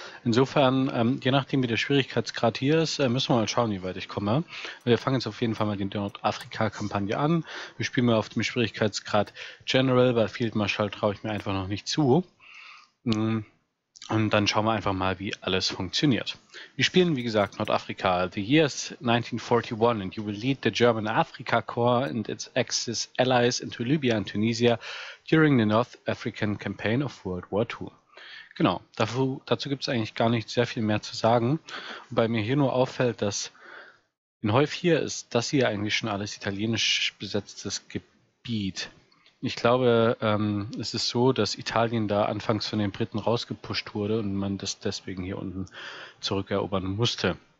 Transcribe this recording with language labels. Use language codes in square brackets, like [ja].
[de] Insofern, je nachdem wie der Schwierigkeitsgrad hier ist, müssen wir mal schauen, wie weit ich komme. Wir fangen jetzt auf jeden Fall mal die Nordafrika-Kampagne an. Wir spielen mal auf dem Schwierigkeitsgrad General, weil Field Marshal traue ich mir einfach noch nicht zu. Und dann schauen wir einfach mal, wie alles funktioniert. Wir spielen, wie gesagt, Nordafrika. [en] The year is 1941 and you will lead the German Africa Corps and its Axis allies into Libya and Tunisia during the North African Campaign of World War II. [de] Genau, dazu gibt es eigentlich gar nicht sehr viel mehr zu sagen. Wobei mir hier nur auffällt, dass in Häuf hier ist das hier eigentlich schon alles italienisch besetztes Gebiet. Ich glaube, es ist so, dass Italien da anfangs von den Briten rausgepusht wurde und man das deswegen hier unten zurückerobern musste.